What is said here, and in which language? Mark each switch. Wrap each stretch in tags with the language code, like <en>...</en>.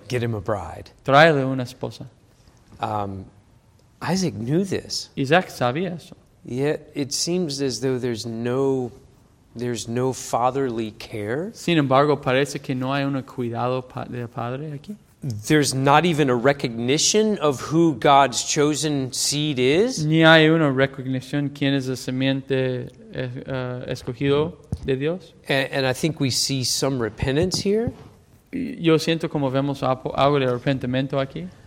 <en>Get him a bride.</en> <es>Tráele una esposa.</es> <en>Isaac knew this.</en> <es>Isaac sabía eso.</es> <en>Yet it seems as though there's no fatherly care.</en> <es>Sin embargo, parece que no hay un cuidado de padre aquí.</es> <en>There's not even a recognition of who God's chosen seed is.</en> <es>Ni hay una recognición quién es la simiente escogido de Dios.</es> <en>And I think we see some repentance here.</en> <es>Yo siento como vemos algo de arrepentimiento aquí.</es>